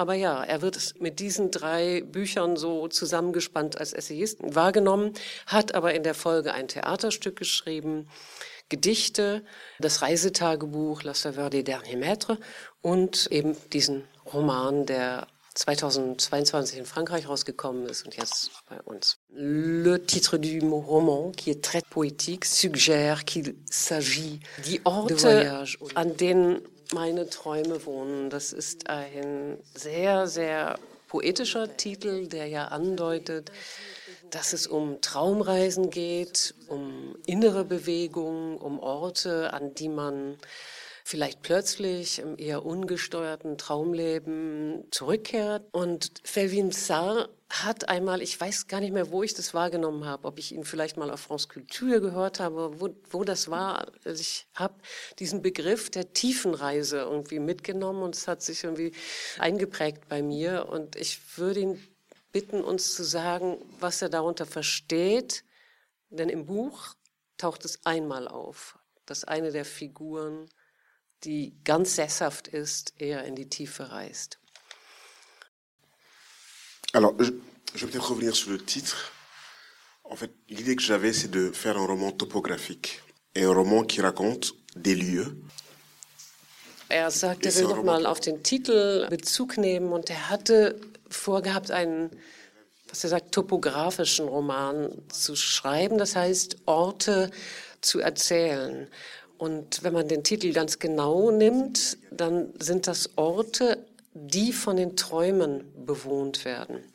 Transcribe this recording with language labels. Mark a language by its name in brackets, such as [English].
[German] Aber ja, er wird mit diesen drei Büchern so zusammengespannt als Essayist wahrgenommen, hat aber in der Folge ein Theaterstück geschrieben, Gedichte, das Reisetagebuch La Saveur des derniers maîtres und eben diesen Roman, der 2022 in Frankreich rausgekommen ist und jetzt bei uns. [French] Le titre du roman, qui est très poétique, suggère qu'il s'agit de [German] Orte, an denen meine Träume wohnen. Das ist ein sehr, sehr poetischer Titel, der ja andeutet, dass es um Traumreisen geht, um innere Bewegungen, um Orte, an die man vielleicht plötzlich im eher ungesteuerten Traumleben zurückkehrt. Und Felwine Sarr hat einmal, ich weiß gar nicht mehr, wo ich das wahrgenommen habe, ob ich ihn vielleicht mal auf France Culture gehört habe, wo das war. Also ich habe diesen Begriff der Tiefenreise irgendwie mitgenommen und es hat sich irgendwie eingeprägt bei mir. Und ich würde ihn bitten, uns zu sagen, was er darunter versteht. Denn im Buch taucht es einmal auf, dass eine der Figuren, die ganz sesshaft ist, eher in die Tiefe reist. [French] Alors, je vais peut-être revenir sur le titre. En fait, l'idée que j'avais, c'est de faire un roman topographique et un roman qui raconte des lieux. [German] Er sagt, er will nochmal auf den Titel Bezug nehmen und er hatte vorgehabt, einen, was er sagt, topografischen Roman zu schreiben, das heißt, Orte zu erzählen. Und wenn man den Titel ganz genau nimmt, dann sind das Orte, die von den Träumen bewohnt werden.